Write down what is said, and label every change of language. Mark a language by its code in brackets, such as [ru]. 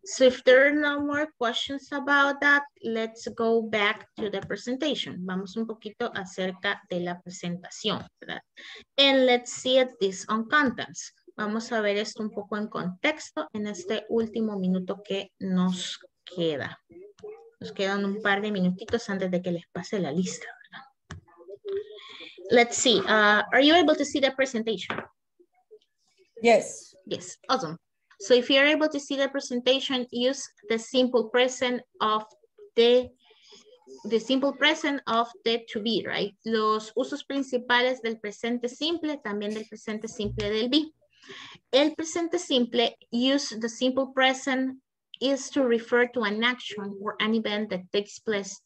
[en] So if there are no more questions about that, let's go back to the presentation. [es] Vamos un poquito acerca de la presentación, ¿verdad? [en] And let's see this on contents. [es] Vamos a ver esto un poco en contexto en este último minuto que nos queda. Nos quedan un par de minutitos antes de que les pase la lista, ¿verdad? [en] Let's see. Are you able to see the presentation? Yes. Yes. Awesome. So if you're able to see the presentation, use the simple present of the the simple present of the to be, right? [es] Los usos principales del presente simple, también del presente simple del be. El presente simple, [en] use the simple present, is to refer to an action or an event that takes place.